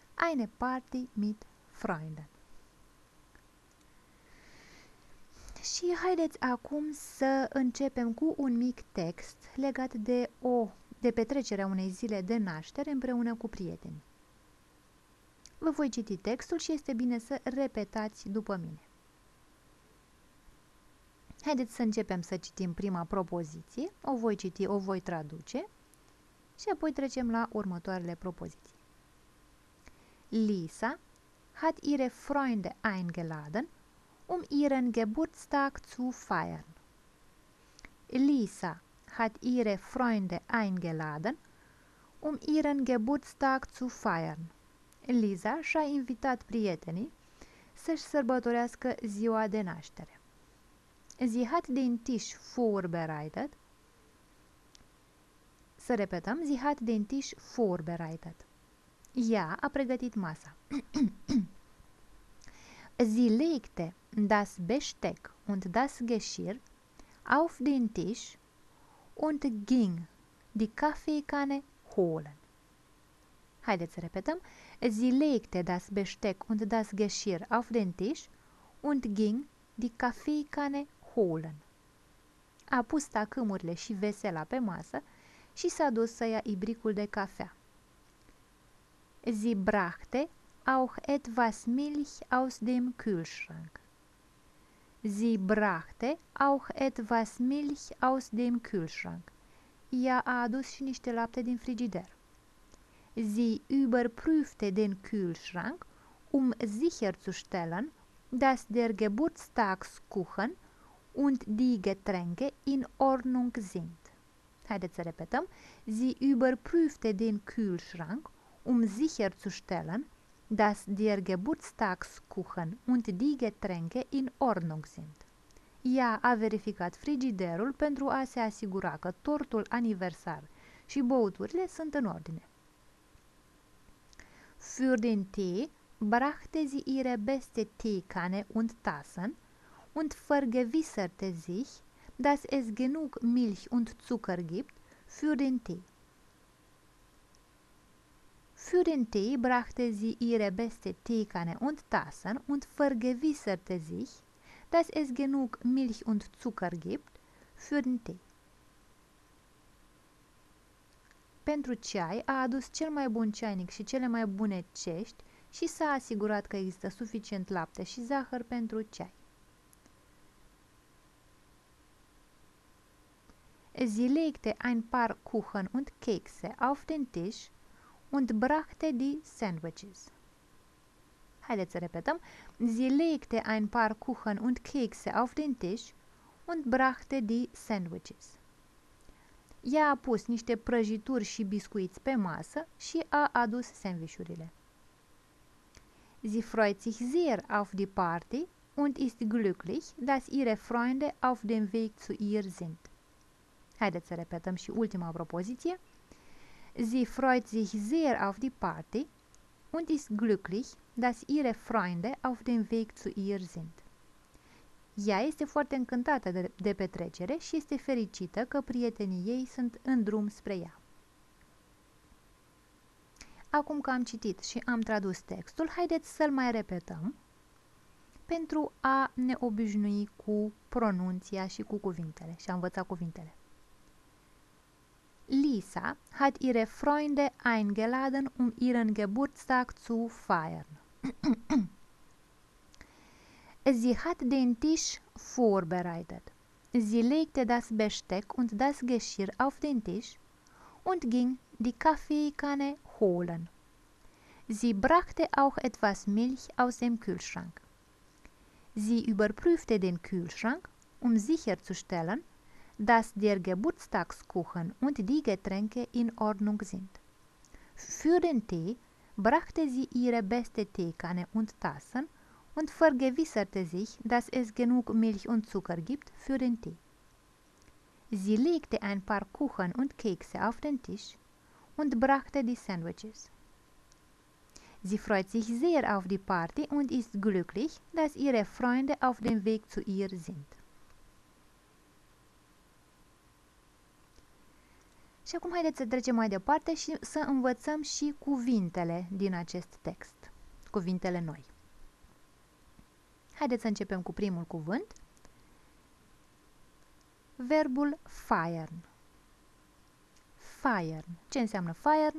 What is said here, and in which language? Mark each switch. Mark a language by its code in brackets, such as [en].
[de] Eine Party mit Freunden. [ro] Și haideți acum să începem cu un mic text legat de petrecerea unei zile de naștere împreună cu prieteni. Vă voi citi textul și este bine să repetați după mine. Haideți să începem să citim prima propoziție, o voi citi, o voi traduce și apoi trecem la următoarele propoziții. [de] Lisa hat ihre Freunde eingeladen, um ihren Geburtstag zu feiern. Lisa hat ihre Freunde eingeladen, um ihren Geburtstag zu feiern. [ro] Lisa și-a invitat prietenii să-și sărbătorească ziua de naștere. [de] Sie hat den Tisch vorbereitet. [ro] Să repetăm, [de] sie hat den Tisch vorbereitet. [ro] Ea a pregătit masa. [de] Sie legte das Besteck und das Geschirr auf den Tisch und ging die Kaffeekanne holen. [ro] Haideți să repetăm. [de] Sie legte das Besteck und das Geschirr auf den Tisch und ging die Kaffeekanne holen. [ro] A pus tacâmurile și vesela pe masă și s-a dus să ia ibricul de cafea. [de] Sie brachte auch etwas Milch aus dem Kühlschrank. Sie brachte auch etwas Milch aus dem Kühlschrank. [ro] Ea a adus și niște lapte din frigider. [de] Sie überprüfte den Kühlschrank, um sicherzustellen, dass der Geburtstagskuchen und die Getränke in Ordnung sind. [ro] Haideți să repetăm. [de] Sie überprüfte den Kühlschrank, um sicherzustellen, dass der Geburtstagskuchen und die Getränke in Ordnung sind. [ro] Ea a verificat frigiderul pentru a se asigura că tortul aniversar și băuturile sunt în ordine. [de] Für den Tee brachte sie ihre beste Teekanne und Tassen und vergewisserte sich, dass es genug Milch und Zucker gibt für den Tee. Für den Tee brachte sie ihre beste Teekanne und Tassen und vergewisserte sich, dass es genug Milch und Zucker gibt für den Tee. [ro] Pentru ceai a adus cel mai bun ceainic și cele mai bune cești și s-a asigurat că există suficient lapte și zahăr pentru ceai. [de] Sie legte ein paar Kuchen und Kekse auf den Tisch und brachte die Sandwiches. [ro] Haideți să repetăm. [de] Sie legte ein paar Kuchen und Kekse auf den Tisch und brachte die Sandwiches. [ro] Ea a pus niște prăjituri și biscuiți pe masă și a adus sandvișurile. [de] Sie freut sich sehr auf die Party und ist glücklich, dass ihre Freunde auf dem Weg zu ihr sind. [ro] Haideți să repetăm și ultima propoziție. [de] Sie freut sich sehr auf die Party und ist glücklich, dass ihre Freunde auf dem Weg zu ihr sind. [ro] Ea este foarte încântată de petrecere și este fericită că prietenii ei sunt în drum spre ea. Acum că am citit și am tradus textul, haideți să-l mai repetăm pentru a ne obișnui cu pronunția și cu cuvintele și a învăța cuvintele. [de] Lisa hat ihre Freunde eingeladen, um ihren Geburtstag zu feiern. Sie hat den Tisch vorbereitet. Sie legte das Besteck und das Geschirr auf den Tisch und ging die Kaffeekanne holen. Sie brachte auch etwas Milch aus dem Kühlschrank. Sie überprüfte den Kühlschrank, um sicherzustellen, dass der Geburtstagskuchen und die Getränke in Ordnung sind. Für den Tee brachte sie ihre beste Teekanne und Tassen und vergewisserte sich, dass es genug Milch und Zucker gibt für den Tee. Sie legte ein paar Kuchen und Kekse auf den Tisch und brachte die Sandwiches. Sie freut sich sehr auf die Party und ist glücklich, dass ihre Freunde auf dem Weg zu ihr sind. [ro] Și acum haideți să trecem mai departe și să învățăm și cuvintele din acest text. Cuvintele noi. Haideți să începem cu primul cuvânt. Verbul feiern. Feiern. Ce înseamnă feiern?